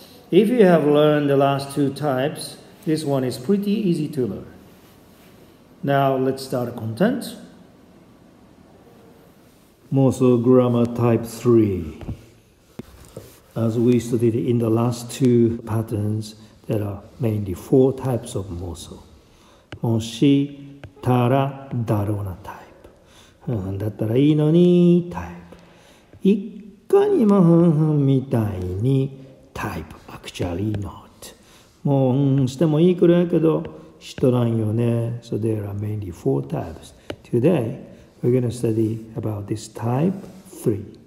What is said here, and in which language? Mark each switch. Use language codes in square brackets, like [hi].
[en] If you have learned the last two types, this one is pretty easy to learn. Now let's start content. Moso grammar type 3. As we studied in the last two patterns, there are mainly four types of moso. [ja] もしたらだろうなタイプ、だったらいいのにタイプ、いかにもみたいにタイプ、 [en] actually not、 [ja] もうしてもいいくらいけどしとらんよね。 [en] So there are mainly four types. Today we're going to study about this type 3.